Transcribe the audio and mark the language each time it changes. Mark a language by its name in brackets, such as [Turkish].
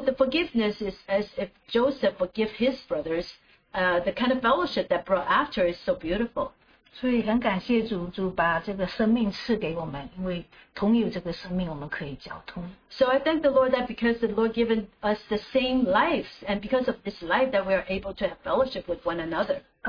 [English] the forgiveness is as if Joseph forgive his brothers. The kind of fellowship that brought after is so beautiful. [Chinese] 所以很感谢主，主把这个生命赐给我们，因为同有这个生命，我们可以交通。 [English] So I thank the Lord that because the Lord given us the same lives, and because of this life that we are able to have fellowship with one another.